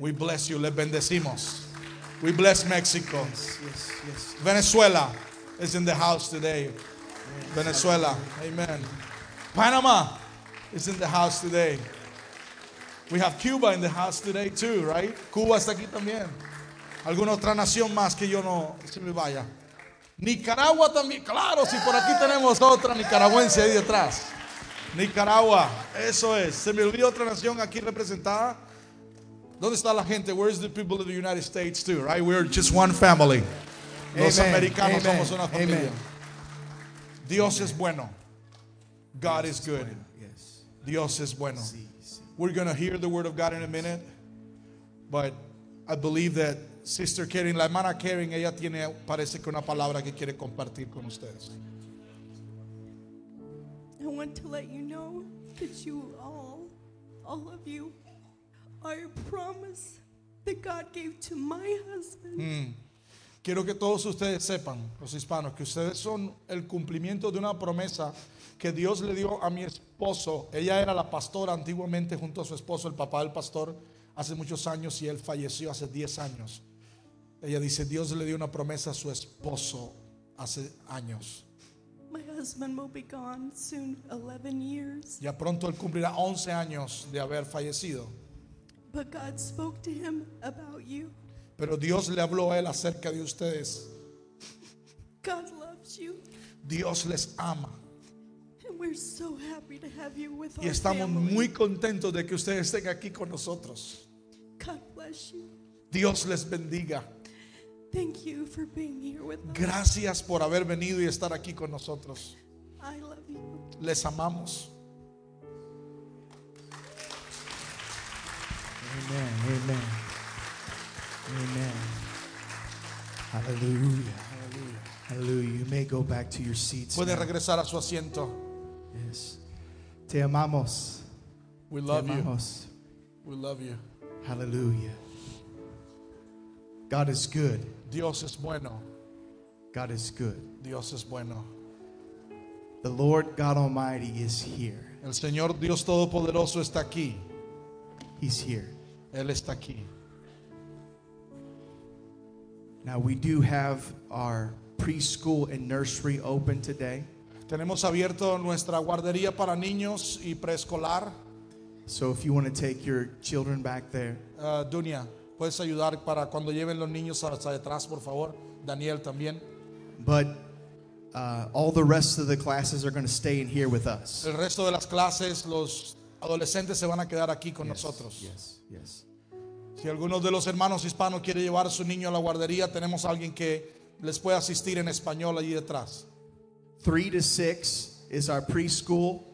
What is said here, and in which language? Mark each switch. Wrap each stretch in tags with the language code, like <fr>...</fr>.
<en>We bless you.</en> <es>Les bendecimos.</es> <en>We bless Mexico. Yes, yes, yes. Venezuela is in the house today. Venezuela, amen. Panama is in the house today. We have Cuba in the house today too, right?</en> <es>Cuba está aquí también. ¿Alguna otra nación más que yo no se me vaya? Nicaragua también. Claro, si por aquí tenemos otra nicaragüense ahí detrás. Nicaragua, eso es. ¿Se me olvidó otra nación aquí representada? ¿Dónde está la gente?</es> <en>Where is the people of the United States too, right? We're just one family. Los amen.</en> <es>Americanos amen. Somos una familia. Amen. Dios es bueno.</es> <en>God is good. Yes.</en> <es>Dios es bueno.</es> <en>We're going to hear the word of God in a minute. But I believe that Sister Karen,</en> <es>la hermana Karen, ella tiene, parece que una palabra que quiere compartir con ustedes.</es> <en>I want to let you know that you all of you, are a promise that God gave to my husband.</en> <es>Quiero que todos ustedes sepan, los hispanos, que ustedes son el cumplimiento de una promesa que Dios le dio a mi esposo. Ella era la pastora antiguamente junto a su esposo, el papá del pastor, hace muchos años, y él falleció hace 10 años. Ella dice, Dios le dio una promesa a su esposo hace años.</es> <en>My husband will be gone soon, 11 years.</en> <es>Ya pronto él cumplirá 11 años de haber fallecido.</es> <en>But God spoke to him about you.</en> <es>Pero Dios le habló a él acerca de ustedes.</es> <en>God loves you.</en> <es>Dios les ama.</es> <en>And we're so happy to have you with</en> <es>y estamos</es> <en>our family.</en> <es>Muy contentos de que ustedes estén aquí con nosotros.</es> <en>God bless you.</en> <es>Dios les bendiga.</es> <en>Thank you for being here with</en> <es>gracias Por haber venido y estar aquí con nosotros.</es> <en>I love you.</en> <es>Les amamos. Amen, amen. Amen. Hallelujah.</es> <en>Hallelujah. Hallelujah. You may go back to your seats.</en> <es>Puede regresar a su asiento. Yes. Te amamos.</es> <en>We love you. We love you. Hallelujah. God is good.</en> <es>Dios es bueno.</es> <en>God is good.</en> <es>Dios es bueno.</es> <en>The Lord God Almighty is here.</en> <es>El Señor Dios Todopoderoso está aquí.</es> <en>He's here.</en> <es>Él está aquí.</es> <en>Now we do have our preschool and nursery open today.</en> <es>Tenemos abierto nuestra guardería para niños y preescolar.</es> <en>So if you want to take your children back there.</en> <es>Dunia, puedes ayudar para cuando lleven los niños hasta detrás, por favor. Daniel también.</es> <en>But all the rest of the classes are going to stay in here with us.</en> <es>El resto de las clases, los adolescentes se van a quedar aquí con nosotros.</es> <en>Yes. Yes.</en> <es>Si alguno de los hermanos hispanos quiere llevar a su niño a la guardería, tenemos alguien que les puede asistir en español allí detrás.</es> <en>3 to 6 is our preschool.</en>